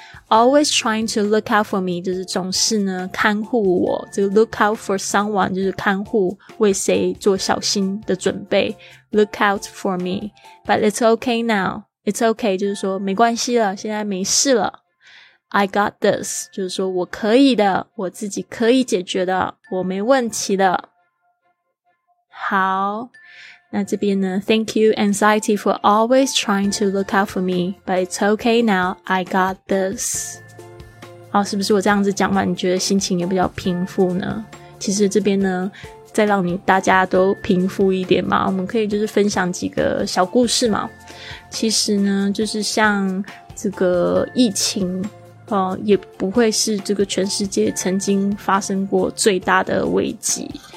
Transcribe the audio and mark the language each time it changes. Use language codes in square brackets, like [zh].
[en] Always trying to look out for me [zh] 就是总是呢看护我，这个 [en] look out for someone [zh] 就是看护，为谁做小心的准备。 [en] Look out for me But it's okay now It's okay [zh] 就是说没关系了，现在没事了。 [en] I got this [zh] 就是说我可以的，我自己可以解决的，我没问题的。好，那这边呢 [en] Thank you anxiety for always trying to look out for me But it's okay now, I got this [zh] 好，是不是我这样子讲完你觉得心情也比较平复呢？其实这边呢再让你大家都平复一点嘛，我们可以就是分享几个小故事嘛。其实呢就是像这个疫情也不会是这个全世界曾经发生过最大的危机。